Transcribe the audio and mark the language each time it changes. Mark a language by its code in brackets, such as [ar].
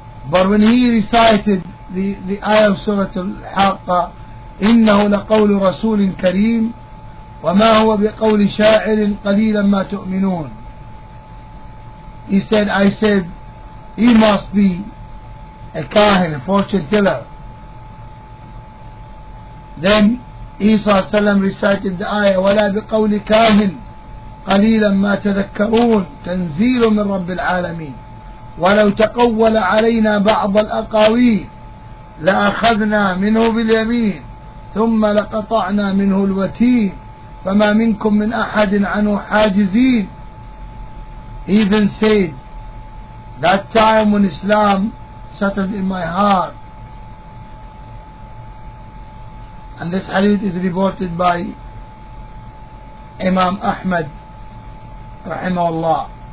[en] But when he recited the ayah of Surah Al-Haqqah, [ar] إِنَّهُ لَقَوْلُ رَسُولٍ كَرِيمٍ وَمَا هُوَ بِقَوْلِ شَاعِرٍ قَلِيلًا مَا تُؤْمِنُونَ, [en] he said, I said, he must be a kahin, a fortune teller. Then Isa salam recited the ayah, [ar] وَلَا بِقَوْلِ كَاهِنٍ قَلِيلًا مَا تَذَكَّرُونَ تَنْزِيلٌ مِنْ رَبِّ الْعَالَمِينَ ولو تقول علينا بعض الأقاويل لأخذنا منه باليمين ثم لقطعنا منه الوتين فما منكم من أحد عنه حاجزين. [en] He then said, that time when Islam settled in my heart, and this hadith is reported by Imam Ahmad رحمه الله,